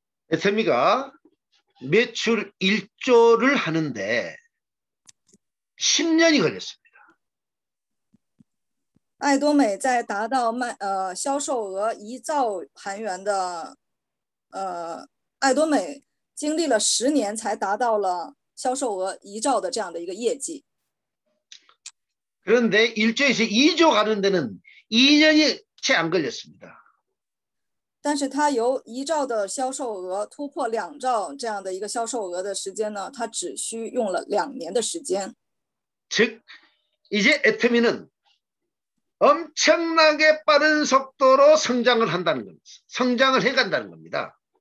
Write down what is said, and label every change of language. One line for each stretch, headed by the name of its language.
Korean: 에테미가 매출 1조를 하는데 10년이 걸렸어요.
Chinese: 爱多美在达到销售额1兆韩元的，爱多美经历了10年才达到了销售额1兆的这样的一个业绩。
Korean: 그런데 1조에서 2조 가는 데는 2년이 채안 걸렸습니다.
Chinese: 但是它由1兆的销售额突破2兆这样的一个销售额的时间呢，它只需用了2年的时间。
Korean: 즉 이제 애터미는 엄청나게 빠른 속도로 성장을 한다는 겁니다. 성장을 해간다는 겁니다.